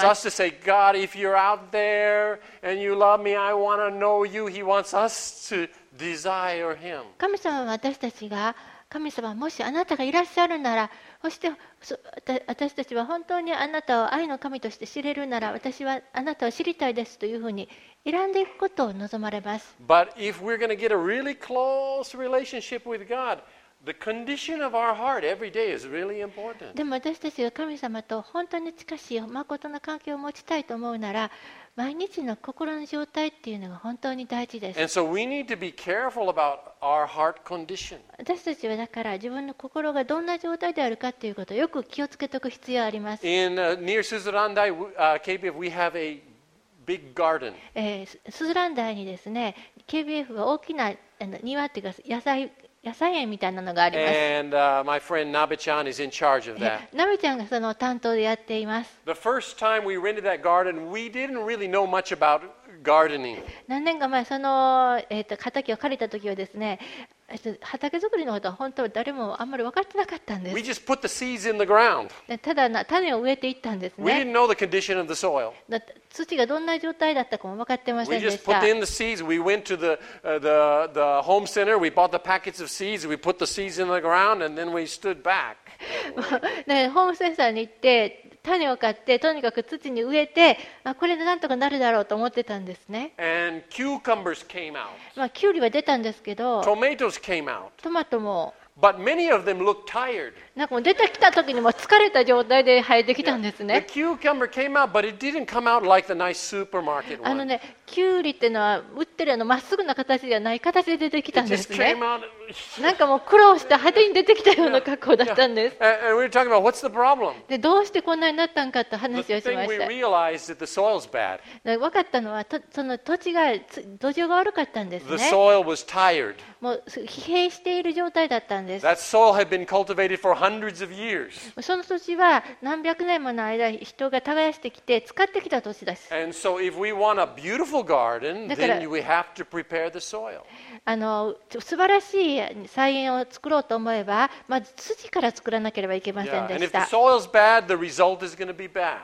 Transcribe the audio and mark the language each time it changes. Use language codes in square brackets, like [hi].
[en] He wants us to say, God, if you're out there and you love me, I want to know you. He wants us to desire Him. [ja] 神様は私たちが、神様もしあなたがいらっしゃるなら、そして私たちは本当にあなたを愛の神として知れるなら、私はあなたを知りたいですというふうに選んでいくことを望まれます。 [en] But if we're going to get a really close relationship with God, The condition of our heart every day is really important. [ja] でも私たちが神様と本当に近しい誠の関係を持ちたいと思うなら、毎日の心の状態っていうのが本当に大事です。 [en] And so we need to be careful about our heart condition. [ja] 私たちはだから自分の心がどんな状態であるかということをよく気をつけておく必要があります。 [en] In near Suzurandai, KBF, we have a big garden. [ja] Suzurandai にですね、KBF は大きな庭っていうか野菜園みたいなのがあります。 [en] And my friend Nabe-chan is in charge of that. [ja] Nabe-chan がその担当でやっています。 [en] The first time we rented that garden, we didn't really know much about gardening. [ja] 何年か前その畑を借りた時はですね、畑作りのことは本当は誰もあんまり分かってなかったんです。 [en] We just put the seeds in the ground. [ja] ただ種を植えていったんですね。 [en] We didn't know the condition of the soil. [ja] 土がどんな状態だったかも分かってませんでした。 [en] We just put in the seeds. We went to the home center. We bought the packets of seeds. We put the seeds in the ground, and then we stood back. [ja] ホームセンターに行って種を買って、とにかく土に植えて、まあ、これでなんとかなるだろうと思ってたんですね。 [en] And cucumbers came out. [ja] まあ、キュウリは出たんですけど、 [en] Tomatoes came out. [ja] トマトも。 [en] But many of them looked tired. [ja] なんかもう出てきた時にも疲れた状態で生えてきたんですね。 [en] The cucumber came out, but it didn't come out like the nice supermarket one. [ja] あのね、キュウリってのは売ってるあのまっすぐな形じゃない形で出てきたんですね。 [en] It just came out. [ja] なんかもう苦労して派手に出てきたような格好だったんです。 [en] And we were talking about what's the problem? [ja] で、どうしてこんなになったんかと話をしました。 [en] The thing we realized that the soil's bad. [ja] で、分かったのはその土地が土壌が悪かったんですね。 [en] The soil was tired. [ja] もう疲弊している状態だったんです。 [en] That soil had been cultivated for hundreds of years. [ja] その土地は何百年もの間人が耕してきて使ってきた土地です。 [en] And so if we want a beautiful garden, then we have to prepare the soil. [ja] あの素晴らしい菜園を作ろうと思えば、まず土から作らなければいけませんでした。 [en] Yeah. And if the soil's bad, the result is going to be bad.